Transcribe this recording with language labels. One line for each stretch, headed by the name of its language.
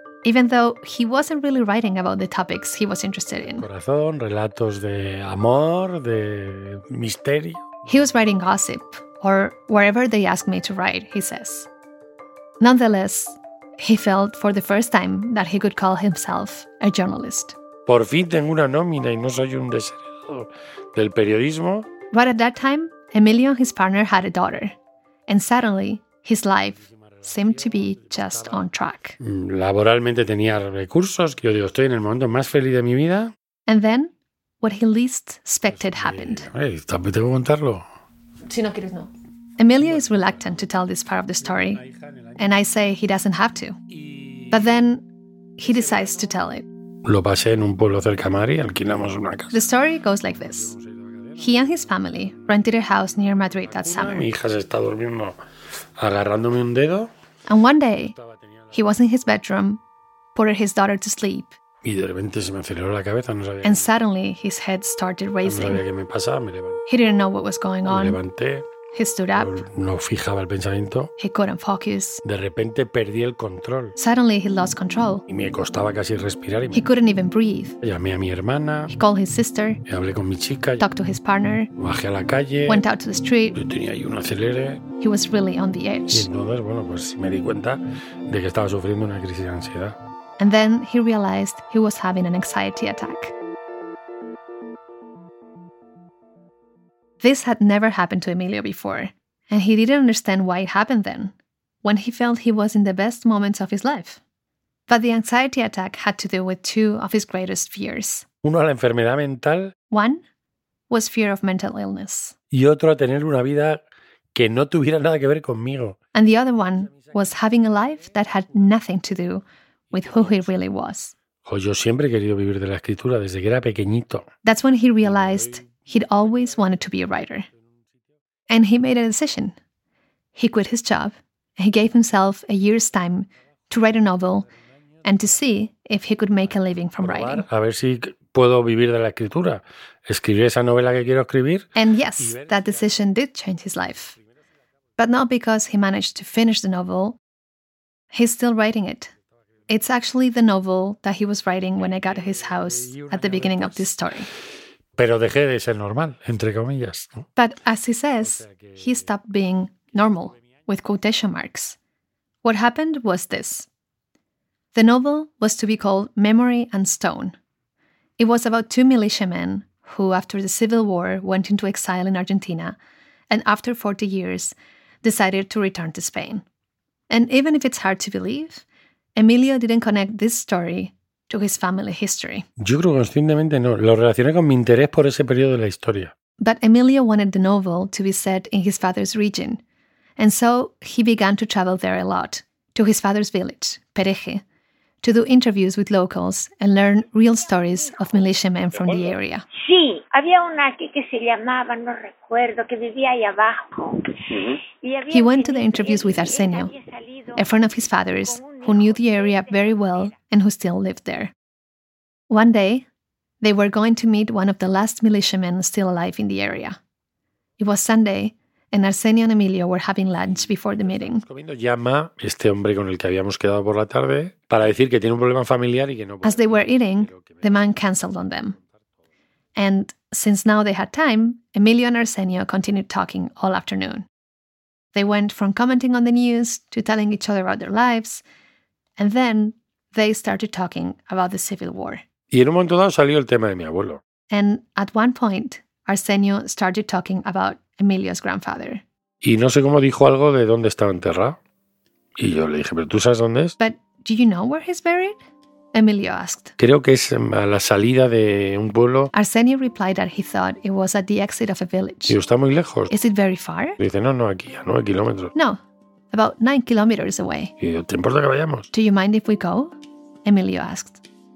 English: Even though he wasn't really writing about the topics he was interested in.
Spanish: Corazón, relatos de amor, de misterio.
English: He was writing gossip, or wherever they asked me to write, he says. Nonetheless, he felt for the first time that he could call himself a journalist.
Spanish: Por fin tengo una nómina y no soy un desheredado del periodismo.
English: But at that time, Emilio and his partner had a daughter, and suddenly his life seemed to be just on track.
Spanish: Laboralmente tenía recursos. Yo digo, estoy en el momento más feliz de mi vida.
English: And then, what he least expected happened.
Spanish: Hey, también tengo que contarlo. Si no quieres, no.
English: Emilio is reluctant to tell this part of the story, and I say he doesn't have to. But then, he decides to tell it.
Spanish: Lo pasé en un pueblo cerca de Madrid, alquilamos una casa.
English: The story goes like this. He and his family rented a house near Madrid that summer.
Spanish: Mi hija se está durmiendo, agarrándome un dedo.
English: And one day, he was in his bedroom, put his daughter to sleep.
Spanish: Y de repente se me aceleró la cabeza, no sabía.
English: And suddenly, his head started racing.
Spanish: No sabía qué me pasaba, me levanté.
English: He didn't know what was going on.
Spanish: Me levanté.
English: He stood up.
Spanish: No fijaba el pensamiento.
English: He couldn't focus.
Spanish: De repente perdí el control.
English: Suddenly he lost control.
Spanish: Y me costaba casi respirar.
English: He couldn't even breathe.
Spanish: Llamé a mi hermana.
English: He called his sister.
Spanish: Hablé con mi chica.
English: Talked to his partner.
Spanish: Bajé a la calle.
English: Went out to the street.
Spanish: Yo tenía ahí un acelere.
English: He was really on the edge.
Spanish: Y entonces, bueno, pues me di cuenta de que estaba sufriendo una crisis de ansiedad.
English: And then he realized he was having an anxiety attack. This had never happened to Emilio before, and he didn't understand why it happened then, when he felt he was in the best moments of his life. But the anxiety attack had to do with two of his greatest fears.
Spanish: Uno, la enfermedad mental.
English: One was fear of mental illness.
Spanish: Y otro, tener una vida que no tuviera nada que ver conmigo.
English: And the other one was having a life that had nothing to do with who he really was.
Spanish: Yo siempre he querido vivir de la escritura desde que era pequeñito.
English: That's when he realized he'd always wanted to be a writer. And he made a decision. He quit his job, and he gave himself a year's time to write a novel and to see if he could make a living from writing.
Spanish: A ver si puedo vivir de la escritura. Escribir esa novela que quiero escribir.
English: And yes, that decision did change his life. But not because he managed to finish the novel. He's still writing it. It's actually the novel that he was writing when I got to his house at the beginning of this story.
Spanish: Pero dejé de ser normal, entre comillas.
English: But as he says, he stopped being normal, with quotation marks. What happened was this. The novel was to be called Memory and Stone. It was about two militiamen who, after the Civil War, went into exile in Argentina, and after 40 years, decided to return to Spain. And even if it's hard to believe, Emilio didn't connect this story to his family history.
Spanish: Yo creo conscientemente no. Lo relacioné con mi interés por ese periodo de la historia.
English: But Emilio wanted the novel to be set in his father's region. And so he began to travel there a lot, to his father's village, Pereje, to do interviews with locals and learn real stories of militiamen from the area.
Spanish: Sí, había una que se llamaba, no recuerdo, que vivía ahí abajo.
English: He went to the interviews with Arsenio, a friend of his father's, who knew the area very well and who still lived there. One day, they were going to meet one of the last militiamen still alive in the area. It was Sunday, and Arsenio and Emilio were having lunch before the meeting.
Spanish: Llama este hombre con el que habíamos quedado por la tarde para decir que tiene un problema familiar y que no.
English: As they were eating, the man canceled on them. And since now they had time, Emilio and Arsenio continued talking all afternoon. They went from commenting on the news to telling each other about their lives, and then they started talking about the civil war.
Spanish: Y en un momento dado salió el tema de mi abuelo.
English: And at one point, Arsenio started talking about Emilio's grandfather.
Spanish: Y no sé cómo dijo algo de dónde estaba enterrado. Y yo le dije, ¿pero tú sabes dónde es?
English: But do you know where he's buried? Emilio asked.
Spanish: Creo que es a la salida de un pueblo.
English: Arsenio replied that he thought it was at the exit of a village.
Spanish: Y está muy lejos.
English: Is it very far?
Spanish: Y dice, no, aquí, a 9 kilómetros.
English: No, about 9 kilometers away.
Spanish: Y yo, ¿te importa que vayamos?
English: Do you mind if we go? Emilio asked.